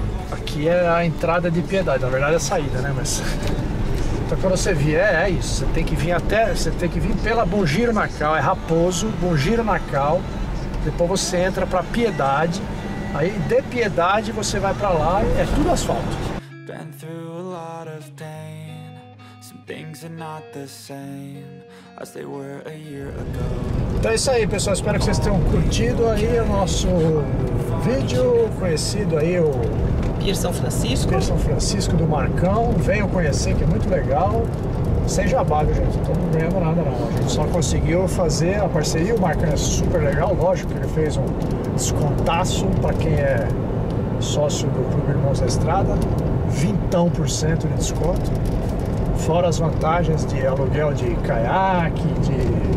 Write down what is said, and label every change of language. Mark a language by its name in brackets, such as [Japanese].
[Portuguese] Aqui é a entrada de Piedade, na verdade é a saída, né? Mas então quando você vier, é isso, você tem que vir até, você tem que vir pela Bom Giro na Cal, é Raposo, Bom Giro na Cal, depois você entra para Piedade, aí de Piedade você vai para lá, é tudo asfalto. [English] Been through a lot of pain, some things are not the same as they were a year ago. [Portuguese] Então é isso aí, pessoal, espero que vocês tenham curtido aí o nosso vídeo, conhecido aí o Pier São Francisco. Pier São Francisco do Marcão, venham conhecer que é muito legal, sem jabá, gente, não estamos ganhando nada não, a gente só conseguiu fazer a parceria, o Marcão é super legal, lógico que ele fez um descontaço para quem é sócio do Clube Irmãos da Estrada, 20% de desconto, fora as vantagens de aluguel de caiaque, de...